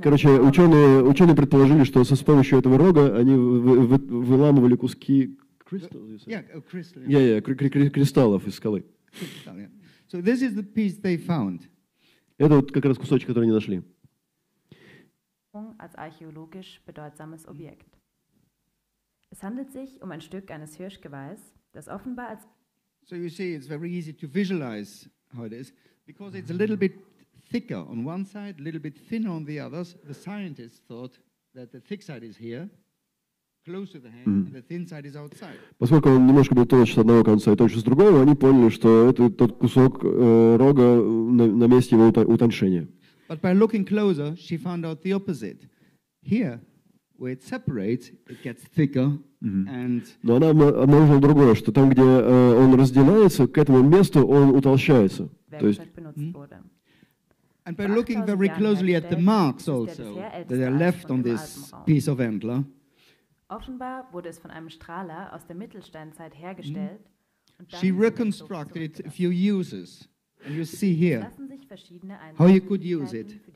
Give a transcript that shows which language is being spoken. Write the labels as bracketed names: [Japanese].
[Russian] Короче, ученые предположили, что с помощью этого рога они выламывали куски кристаллов из скалы. [English] So this is the piece they found. [Russian] Это вот как раз кусочек, который они нашли. [German] Als archäologisch bedeutsames Objekt. Es handelt sich um ein Stück eines Hirschgeweihs, das offenbar als... [English] So you see, it's very easy to visualize how it is, because it's a little bit thicker on one side, a little bit thinner on the other. The scientists thought that the thick side is here, close to the hand, and the thin side is outside. [Russian] Поскольку он немножко был толще с одного конца и толще с другого, они поняли, что это тот кусок рога на месте его утоньшения. [English] But by looking closer, she found out the opposite. Here, where it separates, it gets thicker, and... [Russian] Но она обнаружила другое, что там, где он разделяется, к этому месту он утолщается. То есть... [English] And by looking very closely at the marks also, that are left on this piece of antler... [German] Offenbar wurde es von einem Strahler aus der Mittelsteinzeit hergestellt, [English] she reconstructed it a few uses. And you see here how you could use it.